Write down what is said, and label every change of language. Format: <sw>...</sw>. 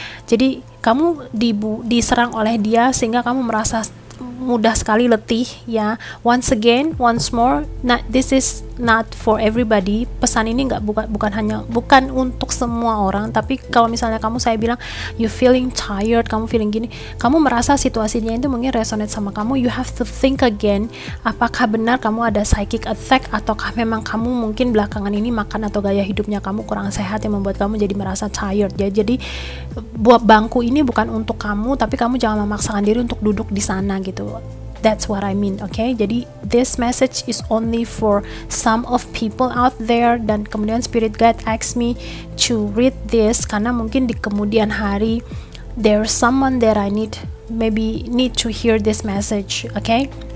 <id>Jadi kamu diserang oleh dia sehingga kamu merasa mudah sekali letih ya.</id> <en>Once again, once more, this is not for everybody.</en> <id>Pesan ini enggak bukan untuk semua orang, tapi kalau misalnya kamu, saya bilang</id> <en>you feeling tired,</en> <id>kamu feeling gini, kamu merasa situasinya itu mungkin resonate sama kamu,</id> <en>you have to think again,</en> <id>apakah benar kamu ada psychic attack ataukah memang kamu mungkin belakangan ini makan atau gaya hidupnya kamu kurang sehat yang membuat kamu jadi merasa tired ya. Jadi buat bangku ini bukan untuk kamu, tapi kamu jangan memaksakan diri untuk duduk di sana gitu.</id> <en>That's what I mean, okay?</en> <id>Jadi</id> <en>this message is only for some of people out there.</en> <id>Dan kemudian</id> <en>spirit guide asks me to read this</en> <id>karena mungkin di kemudian hari</id> <en>there's someone that I need to hear this message, okay?</en>